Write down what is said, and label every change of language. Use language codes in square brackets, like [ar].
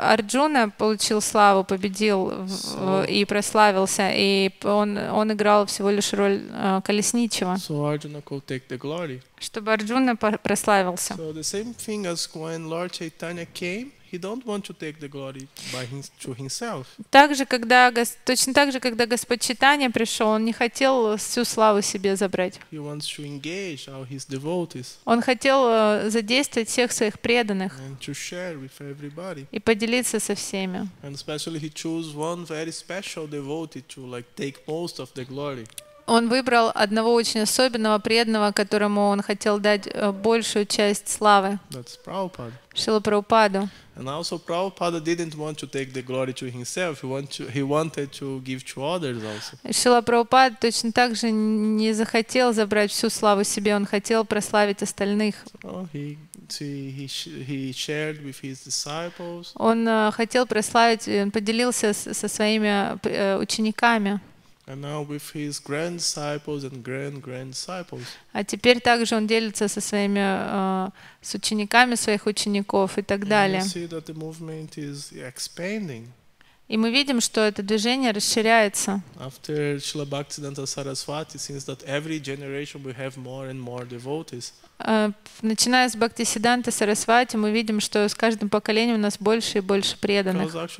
[ru] Арджуна получил славу, победил и прославился, и он играл всего лишь роль колесничего. [en] So Arjuna could take the glory. [ru] Чтобы Арджуна прославился. [en] So the same thing as when Lord Chaitanya came. He don't want to take the glory by himself. [ru] Точно так же, когда Господь Чайтанья пришел, он не хотел всю славу себе забрать. [en] He wants to engage all his devotees. [ru] Он хотел задействовать всех своих преданных. [en] And to share with everybody. [ru] И поделиться со всеми. [en] And especially he chose one very special devotee to take most of the glory. [ru] Он выбрал одного очень особенного преданного, которому он хотел дать большую часть славы. [en] That's Prabhupada. [ru] Шрила Прабхупаду. [en] And also Prabhupada didn't want to take the glory to himself. He wanted to give to others also. [ru] Шрила Прабхупада точно так же не захотел забрать всю славу себе, он хотел прославить остальных. [en] He shared with his disciples. [ru] Он хотел прославить, он поделился со своими учениками. [en] And now with his grand disciples and grand disciples. [ru] А теперь также он делится со своими с учениками своих учеников и так далее. [en] And you see that the movement is expanding. [ru] И мы видим, что это движение расширяется. [en] After Srila Bhaktisiddhanta Sarasvati, since that every generation we have more and more devotees. [ru] Начиная с Бхактисиддханты Сарасвати, мы видим, что с каждым поколением у нас больше и больше преданных.